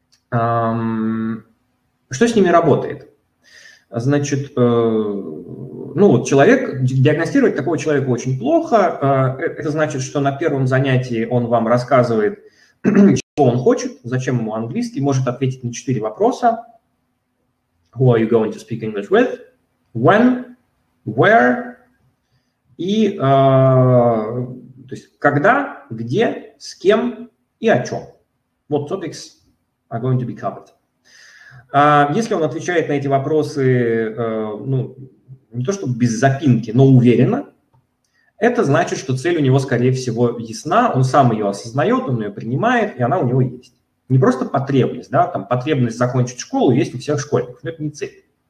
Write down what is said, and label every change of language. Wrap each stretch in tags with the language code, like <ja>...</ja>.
<ru>Что с ними работает? Значит, ну, вот человек, диагностировать такого человека очень плохо. Это значит, что на первом занятии он вам рассказывает, чего он хочет, зачем ему английский, может ответить на 4 вопроса.</ru> <en>Who are you going to speak English with? When? Where?</en> <ru>И то есть когда, где, с кем и о чем.</ru> <en>What topics are going to be covered?</en> <ru>Если он отвечает на эти вопросы, ну, не то чтобы без запинки, но уверенно, это значит, что цель у него, скорее всего, ясна, он сам ее осознает, он ее принимает, и она у него есть. Не просто потребность, да, там потребность закончить школу есть у всех школьников, но это не цель.</ru>